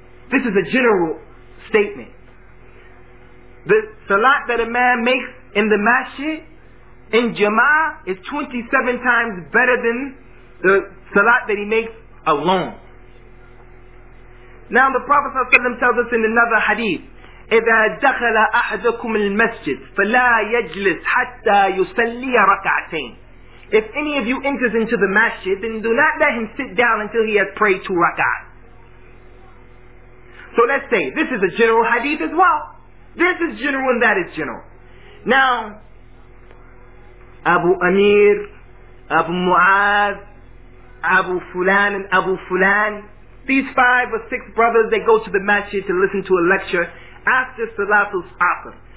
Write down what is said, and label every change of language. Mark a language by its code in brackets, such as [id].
[en] This is a general statement. The salat that a man makes in the masjid in jama'ah is 27 times better than the salat that he makes alone. Now the Prophet ﷺ tells us in another hadith, [ar] إِذَا دَخَلَ أَحَدَكُمُ الْمَسْجِدِ فَلَا يَجْلِسْ حَتَّى يُسَلِّيَ رَكَعْتَيْنِ. [en] If any of you enters into the masjid, then do not let him sit down until he has prayed two rak'ahs. So let's say, this is a general hadith as well. This is general and that is general. Now, Abu Amir, Abu Mu'az, Abu Fulan and Abu Fulan, these five or six brothers, they go to the masjid to listen to a lecture after Salatul Asr.